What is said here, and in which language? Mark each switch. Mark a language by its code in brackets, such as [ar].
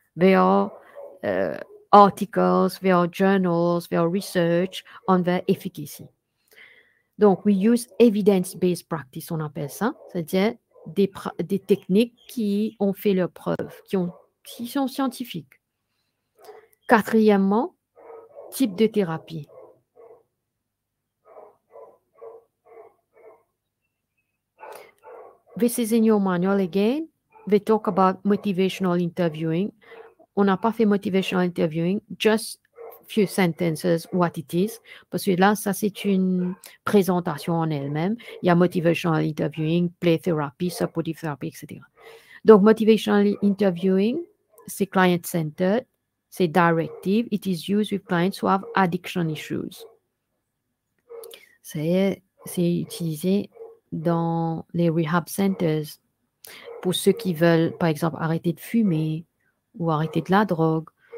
[en] There are articles, there are journals, there are research on their efficacy. [fr] Donc, [en] we use evidence-based practice, [fr] on appelle ça. C'est-à-dire des techniques qui ont fait leur preuve, qui sont scientifiques. Quatrièmement, type de thérapie. [en] This is in your manual again. They talk about motivational interviewing. [fr] On n'a pas fait [en] motivational interviewing, just few sentences, what it is. [fr] Parce que là, ça, c'est une présentation en elle-même. Il y a motivational interviewing, play therapy, supportive therapy, etc. Donc, motivational interviewing, c'est client-centered. C'est directive. [en] It is used with clients who have addiction issues. [fr] C'est utilisé dans les rehab centers pour ceux qui veulent, par exemple, arrêter de fumer ou arrêter de la drogue.